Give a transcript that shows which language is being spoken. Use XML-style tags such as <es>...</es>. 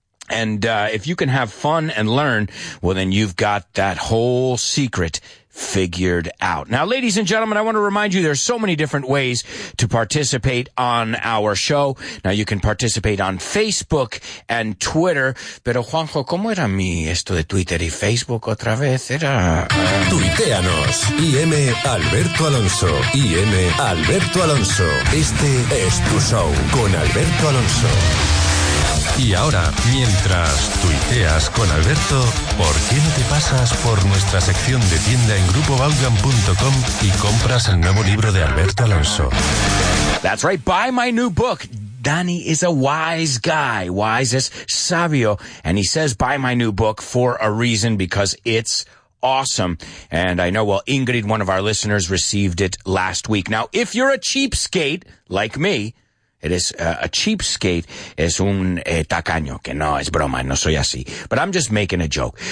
<en>And, if you can have fun and learn, well, then you've got that whole secret figured out. Now, ladies and gentlemen, I want to remind you there's so many different ways to participate on our show. Now, you can participate on Facebook and Twitter.</en> <es>Pero, Juanjo, ¿cómo era mi esto de Twitter y Facebook otra vez? Era... Tuiteanos. IM Alberto Alonso. IM Alberto Alonso. Este es tu show con Alberto Alonso. Y ahora, mientras tuiteas con Alberto, ¿por qué no te pasas por nuestra sección de tienda en grupovaughan.com y compras el nuevo libro de Alberto Alonso?</es> <en>That's right, buy my new book. Danny is a wise guy, wise es sabio, and he says buy my new book for a reason, because it's awesome. And I know, well, Ingrid, one of our listeners, received it last week. Now, if you're a cheapskate like me, it is a cheapskate es un tacaño, que no, es broma, no soy así, but I'm just making a joke.</en>